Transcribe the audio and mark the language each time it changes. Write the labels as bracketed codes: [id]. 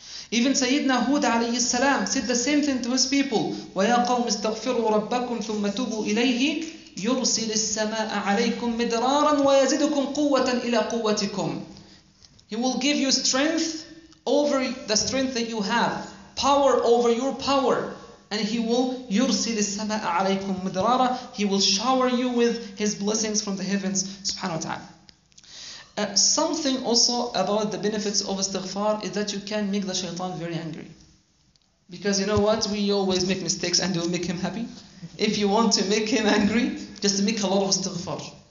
[en] Even Sayyidina Hud alayhi salam said the same thing to his people, [ar] وَيَا قَوْمِ اسْتَغْفِرُوا رَبَّكُمْ ثُمَّ تُوبُوا إِلَيْهِ يُرْسِلِ السَّمَاءَ عَلَيْكُمْ مِدْرَارًا وَيَزِدُكُمْ قُوَّةً إِلَىٰ قُوَّتِكُمْ. [en] He will give you strength over the strength that you have, power over your power. And he will [ar] يرسل السماء عليكم مدرارا. [en] He will shower you with his blessings from the heavens, subhanahu wa ta'ala. Something also about the benefits of istighfar is that you can make the shaitan very angry. Because you know what? We always make mistakes and we make him happy. If you want to make him angry, just make a lot of istighfar.